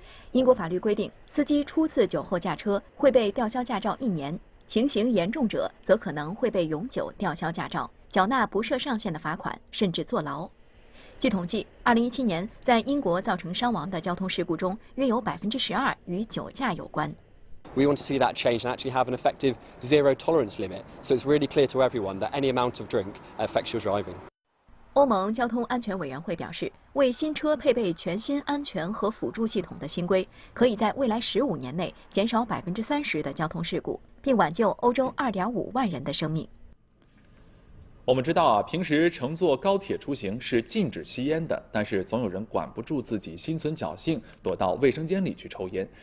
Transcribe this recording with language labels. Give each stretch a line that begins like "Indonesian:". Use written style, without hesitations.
Chinese: 英国法律规定，司机初次酒后驾车会被吊销驾照1年，情形严重者则可能会被永久吊销驾照，缴纳不设上限的罚款，甚至坐牢。据统计，2017年在英国造成伤亡的交通事故中，约有12%与酒驾有关。
English: We want to see that change and actually have an effective zero tolerance limit, so it's really clear to everyone that any amount of drink affects your driving.
Chinese: 欧盟交通安全委员会表示，为新车配备全新安全和辅助系统的新规，可以在未来15年内减少30%的交通事故，并挽救欧洲2.5万人的生命。我们知道啊，平时乘坐高铁出行是禁止吸烟的，但是总有人管不住自己，心存侥幸，躲到卫生间里去抽烟。